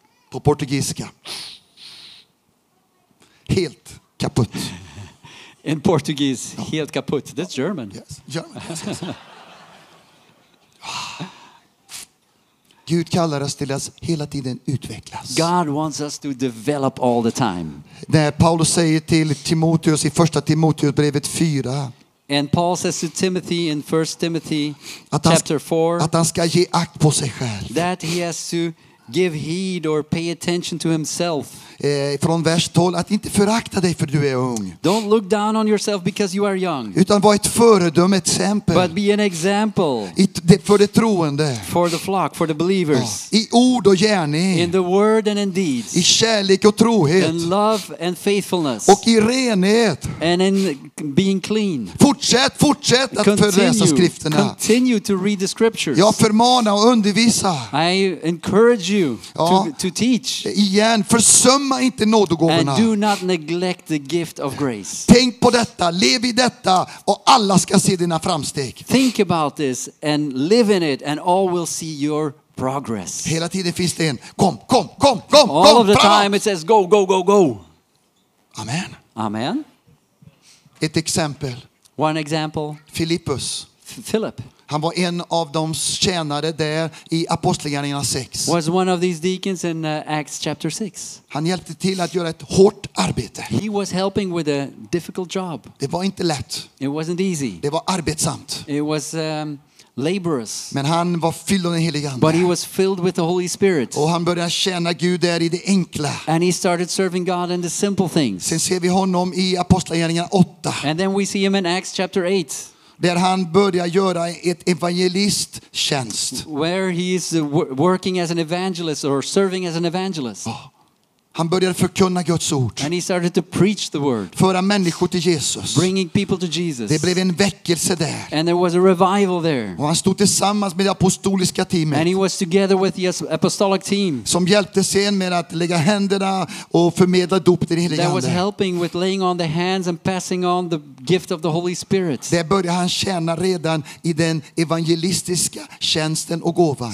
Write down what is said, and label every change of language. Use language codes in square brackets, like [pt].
[sv] På portugisiska. Helt kaputt. [en] In Portuguese, ja. [sv] Helt kaputt. [en] That's German. Yes. German. [sv] Gud kallar oss till att hela tiden utvecklas. [en] God wants us to develop all the time. [sv] När Paulus säger till Timoteus i första Timoteusbrevet 4. [en] And Paul says to Timothy in 1 Timothy chapter 4. [sv] Att han ska ge akt på sig själv. [en] That he has to give heed or pay attention to himself. [sv] Från vers 12 att inte förakta dig för du är ung. [en] Don't look down on yourself because you are young. [sv] Utan var ett föredöme, ett exempel. [en] But be an example. [sv] För de troende. [en] For the flock, for the believers. [sv] Ja. I ord och gärning. [en] In the word and in deeds. [sv] I kärlek och trohet. [en] In love and faithfulness. [sv] Och i renhet. [en] And in being clean. [sv] Fortsätt att förläsa skrifterna. [en] Continue to read the scriptures. [sv] Jag förmanar och undervisar. [en] I encourage you to teach. [sv] Igen, försumma inte nådegåvorna. [en] And do not neglect the gift of grace. [sv] Tänk på detta, lev i detta och alla ska se dina framsteg. [en] Think about this and live in it and all will see your progress. [sv] Hela tiden finns det en kom. [en] All of the time it says go. [sv] Amen. [en] Amen. [sv] Ett exempel. [en] One example. [sv] Filippus. [en] Philip. [sv] Han var en av de tjänare där i Apostlagärningarna 6. [en] Was one of these deacons in Acts chapter 6. [sv] Han hjälpte till att göra ett hårt arbete. [en] He was helping with a difficult job. [sv] Det var inte lätt. [en] It wasn't easy. [sv] Det var arbetsamt. [en] It was laborious. [sv] Men han var fylld av den helige ande. [en] But he was filled with the Holy Spirit. [sv] Och han började tjäna Gud där i det enkla. [en] And he started serving God in the simple things. [sv] Sen ser vi honom i Apostlagärningarna 8. [en] And then we see him in Acts chapter 8. [sv] Där han börjar göra ett evangelisttjänst. [en] Where he is working as an evangelist or serving as an evangelist. [sv] Han började förkunna Guds ord. [en] And he started to preach the word. [sv] Föra människor till Jesus. [en] Bringing people to Jesus. [sv] Det blev en väckelse där. [en] And there was a revival there. [sv] Och han stod tillsammans med det apostoliska teamet. [en] And he was together with the apostolic team. [sv] Som hjälpte sen med att lägga händerna och förmedla dop till den helige ande. [en] That was helping with laying on the hands and passing on the gift of the Holy Spirit. [sv] Där började han tjäna redan i den evangelistiska tjänsten och gåvan.